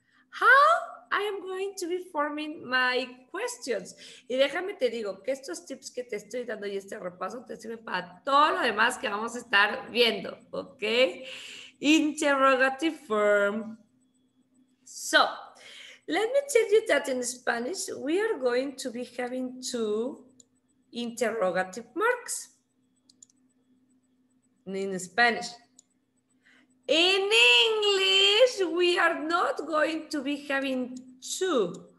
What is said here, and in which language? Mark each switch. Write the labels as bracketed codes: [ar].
[en] How I am going to be forming my questions. [es] Y déjame te digo que estos tips que te estoy dando y este repaso te sirven para todo lo demás que vamos a estar viendo, ¿ok? [en] Interrogative form. So, let me tell you that in Spanish, we are going to be having two interrogative marks. In Spanish. In English, we are not going to be having two.